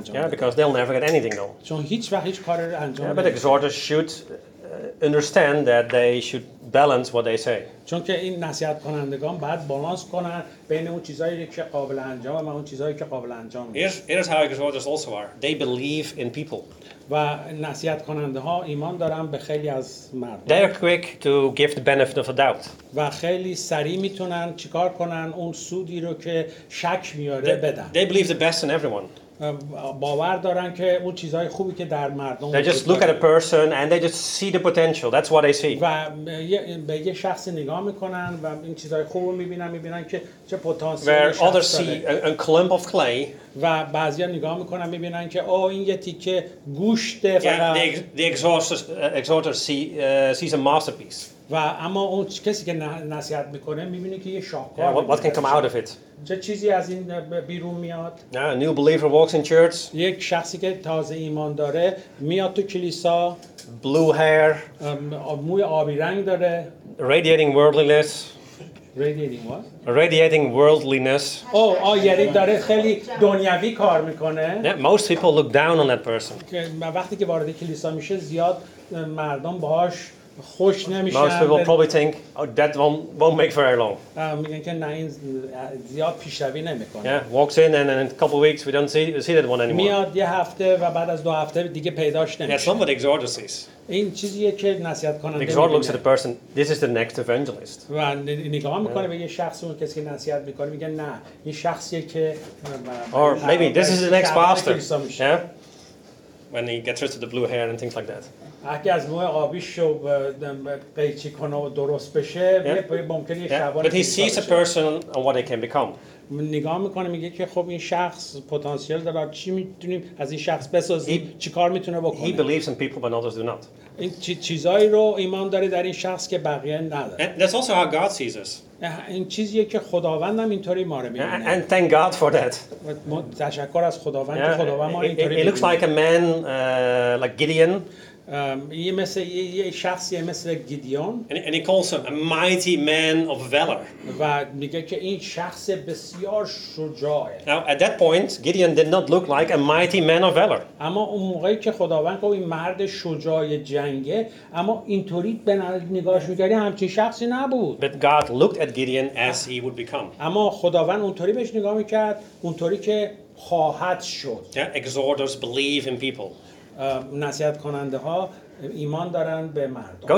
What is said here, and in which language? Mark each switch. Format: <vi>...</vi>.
<en>Because they'll never get anything done. Yeah, but exhorters should understand that they should balance what they say.</en> <fa>چون که این نصیحت کنندگان باید بالانس کنن بین اون چیزایی که قابل انجام و اون چیزایی که قابل انجام نیست.</fa> <en>Here's how exhorters also are. They believe in people.</en> <fa>و نصیحت کننده ها ایمان دارن به خیلی از مردم.</fa> <en>They are quick to give the benefit of the doubt.</en> <fa>و خیلی سریع میتونن چیکار کنن اون سودی رو که شک میاره بدن.</fa> <en>They believe the best in everyone.</en> <fa>باور دارن که اون چیزهای خوبی که در مردم</fa> <en>They just look at a person and they just see the potential. That's what they see.</en> <fa>و به یه شخص نگاه میکنن و این چیزهای خوب رو میبینن که چه پتانسیلی داره.</fa> <en>Where others see a clump of clay.</en> <fa>و بعضیا نگاه میکنن میبینن که این یه تیکه گوشته فقط.</fa> <en>Yeah, the exhorter sees a masterpiece.</en> <fa>و اما اون کسی که نصیحت میکنه میبینه که یه شاهکار.</fa> <en>Yeah, what can come out of it?</en> <fa>چه چیزی از این بیرون میاد؟</fa> <en>A new believer walks in church.</en> <fa>یک شخصی که تازه ایمان داره میاد تو کلیسا.</fa> <en>Blue hair.</en> <fa>موی آبی رنگ داره.</fa> <en>Radiating worldliness. Radiating what? Radiating worldliness.</en> <fa>Oh, یعنی داره خیلی دنیوی کار میکنه.</fa> <en>Yeah, most people look down on that person.</en> <fa>وقتی که وارد کلیسا میشه زیاد مردم باهاش خوش نمیشه.</fa> <en>Most people probably think oh, that one won't make very long.</en> <fa>میگن که نه این زیاد پیشروی نمیکنه.</fa> <en>Yeah, walks in and in a couple of weeks we don't see that one anymore.</en> <fa>میاد یه هفته و بعد از دو هفته دیگه پیداش نمیشه.</fa> <en>Yeah, somebody exhorter sees.</en> <fa>این چیزیه که نصیحت کننده میگه.</fa> <en>Exhorter looks at the person. This is the next evangelist.</en> <fa>و نگاه میکنه به یه شخصی اون کسی که نصیحت میکنه میگه نه این شخصیه که</fa> <en>Or maybe this is the next pastor. Yeah. When he gets rid of the blue hair and things like that.</en> <fa>اگه از موه آبیش رو قیچی کنه و درست بشه یه ممکنه یه شعبان</fa> <en>But he sees a person and what they can become.</en> <fa>نگاه میکنه میگه که خب این شخص پتانسیل داره چی میتونیم از این شخص بسازیم چی کار میتونه بکنه.</fa> <en>He believes in people but others do not.</en> <fa>این چیزایی رو ایمان داره در این شخص که بقیه نداره.</fa> <en>That's also how God sees us.</en> <fa>این چیزیه که خداوند هم اینطوری ما رو می‌بینه.</fa> <en>And thank God for that.</en> <fa>تشکر از خداوند که خداوند ما اینطوری می‌بینه.</fa> <en>He looks like a man like Gideon.</en> <fa>یه مثل یه شخصی مثل گیدیون.</fa> <en>And he calls him a mighty man of valor.</en> <fa>و میگه که این شخص بسیار شجاعه.</fa> <en>Now at that point, Gideon did not look like a mighty man of valor.</en> <fa>اما اون موقعی که خداوند که این مرد شجاع جنگه، اما اینطوری به نگاهش میگیری همچین شخصی نبود.</fa> <en>But God looked at Gideon as he would become.</en> <fa>اما خداوند اونطوری بهش نگاه میکرد، اونطوری که خواهد شد.</fa> <en>Yeah, exhorters believe in people.</en> <fa>نصیحت کننده ها ایمان دارن به مردم.</fa>